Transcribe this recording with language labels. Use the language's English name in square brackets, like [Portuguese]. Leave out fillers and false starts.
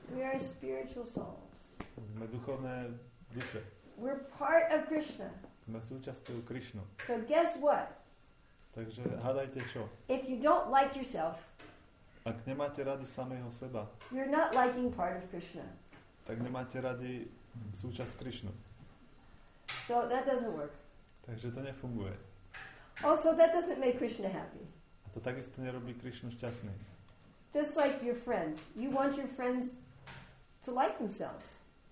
[English] We are spiritual souls. [Slovak] Sme duchovné duše. [English] We're part of Krishna. [Slovak] Sme súčasťou Krishnu. [English] So guess what? [Slovak] Takže hádajte čo? [English] If you don't like yourself, [Slovak] ak nemáte rady samého seba, [English] you're not liking part of Krishna. [Slovak] Tak nemáte rady súčasť Krishnu. [English] So that doesn't work. [Slovak] Takže to nefunguje. [English] Also, that doesn't make Krishna happy. [Slovak] A to takisto nerobí Krishnu šťastný. [English] Just like your friends. You want your friends to like themselves.